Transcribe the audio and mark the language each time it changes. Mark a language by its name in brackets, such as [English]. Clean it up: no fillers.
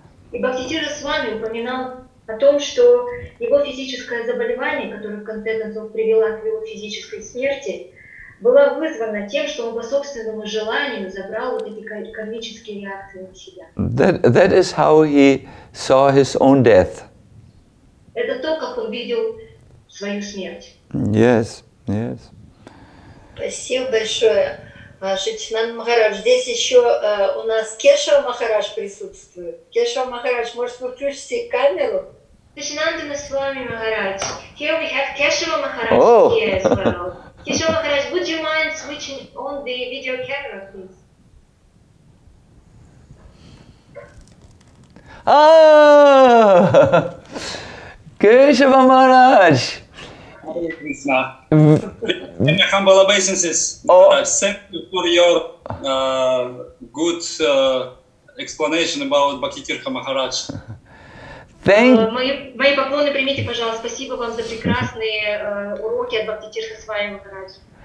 [Russian] И Бхактисиддхи Свами упоминал о том, что его физическое заболевание, которое в конце концов привело к его физической смерти, было вызвано тем, что он по собственному желанию забрал вот эти кармические реакции на себя. [English] That is how he saw his own death. [Russian] Это то, как он видел свою смерть. [English] Yes, yes. [Russian] Спасибо большое. Шичинанда Махарадж, здесь еще у нас Кешава Махарадж присутствует. Кешава Махарадж, может, вы включите камеру? [English] Шичинанда Свами Махарадж, here we have Кешава Махарадж here as well. Кешава Махарадж, would you mind switching on the video camera, please? [Russian] Кешава Махарадж! [English] Hare Krishna. Humble obeisances. Thank you for your good explanation about Bhaktitirtha Maharaj. Thank you. [Russian] Мои поклоны примите, пожалуйста. Спасибо вам за прекрасные уроки от Бхактитирха Свами Махарадж.